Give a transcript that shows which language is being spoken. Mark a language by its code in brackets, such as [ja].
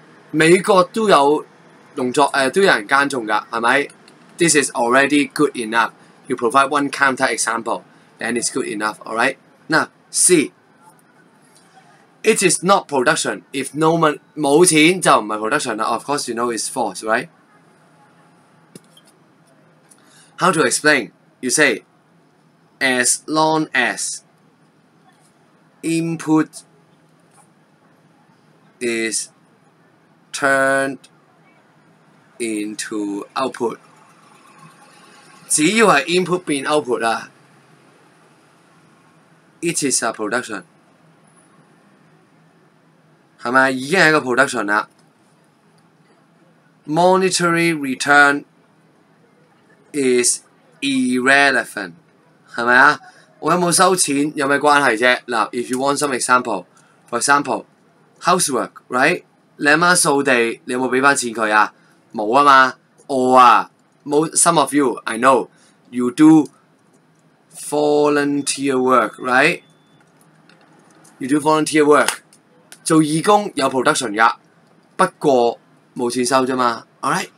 [zh] 美国都有 都有人耕种的,是不是? [en] This is already good enough. You provide one counter example, then it's good enough, alright? Now, C. It is not production. If no money, [zh] 没钱就不是 [en] production. Of course, you know it's false, right? How to explain? You say, as long as input is turned into output. [zh] 只要是 input 变 output 啦, [en] it is a production. [zh] 是吗?已经是一个 production 啦。 [en] Monetary return is irrelevant. [zh] 是吗?我有没有收钱?有什么关系啫? [en] Now, if you want some example, for example, housework, right? [zh] 你妈扫地, 你有没有给钱他? 沒嘛, [en] or some of you, I know, you do volunteer work, right? You do volunteer work. [zh] 做義工有 production 的, 不過沒錢收而已嘛, alright?